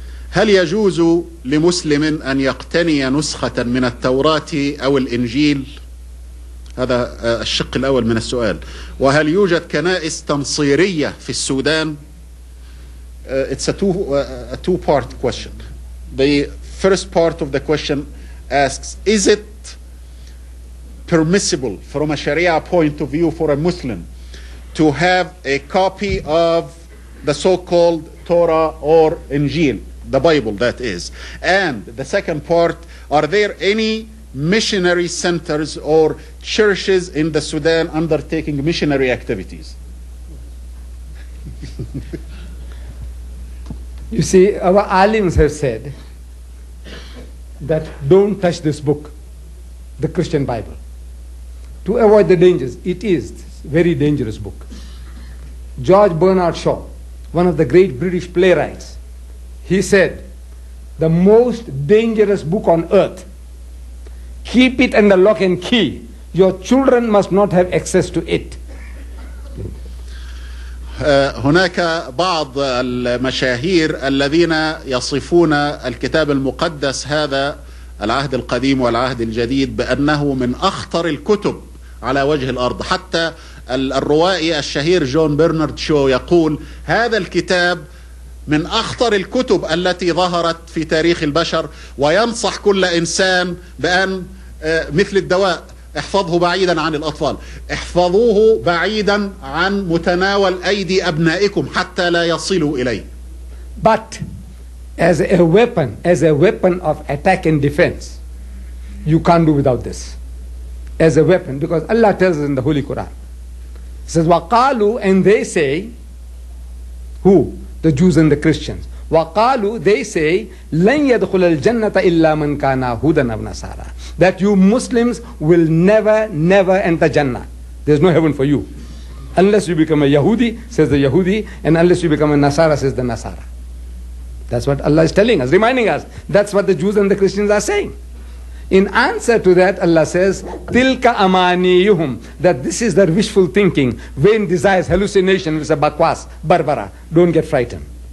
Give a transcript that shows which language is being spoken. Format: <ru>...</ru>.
<ar>هل يجوز لمسلم أن يقتني نسخة من التوراة أو الإنجيل؟ هذا الشق الأول من السؤال. وهل يوجد كنائس تنصيرية في السودان؟</ar> <en>It's a two-part question. The first part of the question asks, is it permissible from a Sharia point of view for a Muslim to have a copy of the so-called Torah or Injil, the Bible that is? And the second part, are there any missionary centers or churches in the Sudan undertaking missionary activities? You see, our alims have said that don't touch this book, the Christian Bible, to avoid the dangers. It is a very dangerous book. George Bernard Shaw, one of the great British playwrights, he said, the most dangerous book on earth, keep it under lock and key. Your children must not have access to it.</en> <ar>هناك بعض المشاهير الذين يصفون الكتاب المقدس هذا العهد القديم والعهد الجديد بأنه من أخطر الكتب على وجه الأرض. حتى الروائي الشهير جون برنارد شو يقول هذا الكتاب من أخطر الكتب التي ظهرت في تاريخ البشر، وينصح كل إنسان بأن مثل الدواء احفظه بعيدا عن الأطفال، احفظوه بعيدا عن متناول أيدي أبنائكم حتى لا يصلوا إليه.</ar> <en>But as a weapon, of attack and defense, you can't do without this. As a weapon, because Allah tells us in the Holy Quran, he says,</en> <ar>وقالوا,</ar> <en>and they say, who? The Jews and the Christians.</en> <ar>وقالوا,</ar> <en>they say,</en> <ar>لن يدخل الجنة إلا من كان هودا أو نصارى.</ar> <en>That you Muslims will never, never enter Jannah. There's no heaven for you. Unless you become a Yahudi, says the Yahudi, and unless you become a Nasara, says the Nasara. That's what Allah is telling us, reminding us. That's what the Jews and the Christians are saying. In answer to that, Allah says,</en> <ar>Tilka amaniyuhum,</ar> <en>that this is their wishful thinking, vain desires, hallucination, it's a bakwas, barbara. Don't get frightened.</en>